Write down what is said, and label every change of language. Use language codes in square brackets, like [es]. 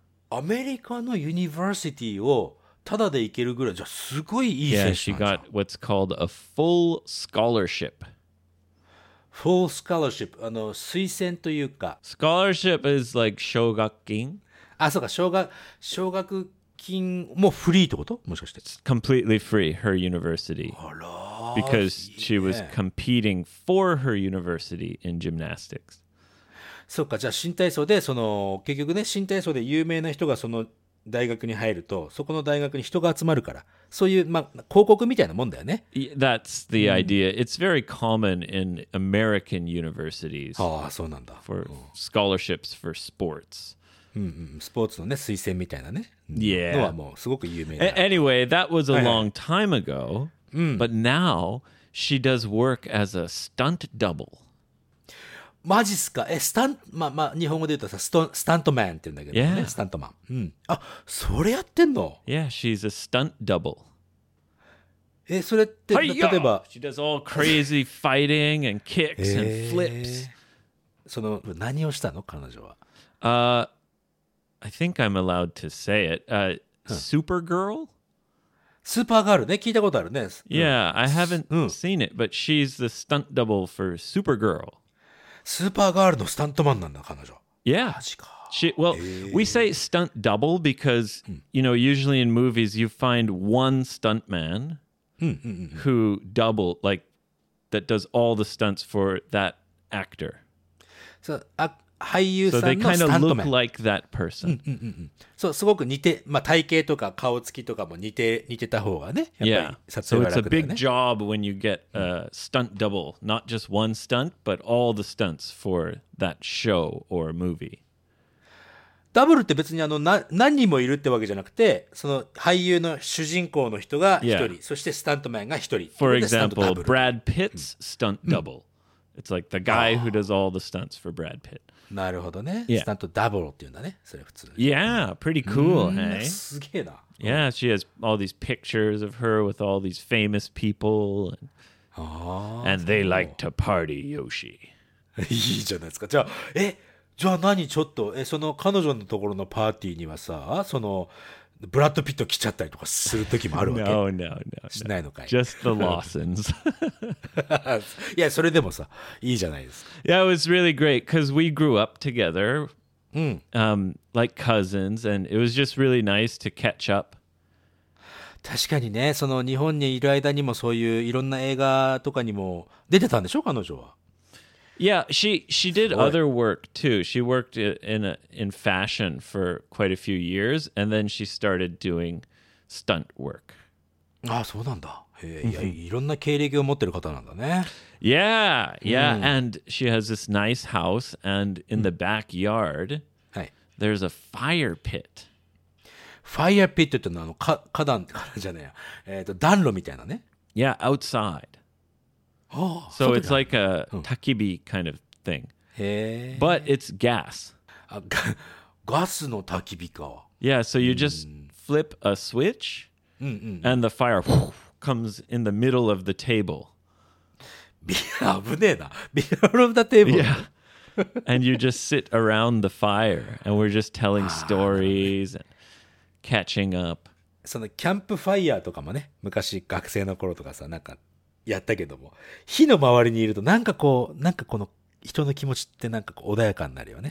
[ja] アメリカのユニバーシティをただで行けるぐらい、じゃあすごいいい選手なんじゃん。 [en] Yeah, she got what's called a full scholarship. Full scholarship. [ja] あの、推薦というか。 [en] Scholarship is like 奨学金。 [ja] あ、そうか。奨学金もフリーってこと? もしかして。 [en] It's completely free, her university. [ja] あら。 [en] Because she was competing for her university in gymnastics. [ja] そうか、じゃあ新体操で、その結局ね、新体操で有名な人がその大学に入ると、そこの大学に人が集まるから、そういう、まあ、広告みたいなもんだよね。 [en] That's the idea. It's very common in American universities. [ja] ああ、そうなんだ。 [en] For scholarships for sports. [ja] スポーツのね、推薦みたいなね。 [en] Yeah. [ja] のはもうすごく有名な。 [en] Anyway, that was a long time ago. But now she does work as a stunt double. [ja] マジっすか? え、スタン、まあまあ、日本語で言うとさ、スタントマンって言うんだけどね、スタントマン。あ、それやってんの? [en] Yeah, she's a stunt double. [ja] え、それって、例えば。 [en] She does all crazy fighting and kicks and flips. [ja] その、何をしたの?彼女は。 [en] I think I'm allowed to say it. Supergirl? [ja] スーパーガールね、聞いたことあるね。 [en] Yeah, I haven't seen it, but she's the stunt double for Supergirl. [ja] スーパーガールのスタントマンなんだ彼女。 [en] Yeah. [ja] マジか。 [en] She, well,we say stunt double because, you know, usually in movies you find one stunt man who double, like, that does all the stunts for that actor. [ja] So, 俳優さんのスタント [en] マン。So they kind of look like that person. [ja] So, すごく似て、まあ、体型とか顔つきとかも似てた方がね。 [en] Yeah. So it's a big job when you get a stunt double. Not just one stunt, but all the stunts for that show or movie. [ja] ダブルって別にあの何人もいるってわけじゃなくて、その俳優の主人公の人が一人、そしてスタントマンが一人。 [en] For example, Brad Pitt's stunt double. It's like the guy who does all the stunts for Brad Pitt. [ja] なるほどね。スタントダブルって言うんだね。それ普通。 [en] Yeah, pretty cool, hey? [ja] すげえな。 [en] Yeah, she has all these pictures of her with all these famous people. And they like to party, Yoshi. [ja] いいじゃないですか。じゃあ、じゃあ何ちょっと、その彼女のところのパーティーにはさ、そのブラッド・ピット来ちゃったりとかする時もあるわけ [en] No, no, no, no. [ja] しないのかい [en] Just the Lawsons. [ja] いや、それでもさ、いいじゃないですか。 [en] Yeah, it was really great because we grew up together,、like cousins, and it was just really nice to catch up. [ja] 確かにね、その日本にいる間にもそういういろんな映画とかにも出てたんでしょ、彼女は。 [en] Yeah, she did other work too. She worked in fashion for quite a few years, and then she started doing stunt work. [ja] Ah, そうなんだ。いろんな経歴を持ってる方なんだね。 [en] Yeah, yeah, and she has this nice house, and in the backyard, there's a fire pit. [ja] Fire pit ってのはあの火壇じゃねえや、暖炉みたいなね。 [en] Yeah, outside. So it's like a takibi kind of thing. But it's gas. [ja] Gas の焚き火か。 [en] Yeah, so you just flip a switch and the fire comes in the middle of the table. [ja] 危ねえな。 [en] Middle of the table. Yeah. And you just sit around the fire and we're just telling stories and catching up. [ja] そのキャンプファイヤーとかもね、昔学生の頃とかさ、なんかやったけども、火の周りにいるとなんかこう、なんかこの人の気持ちってなんか穏やかになるよね。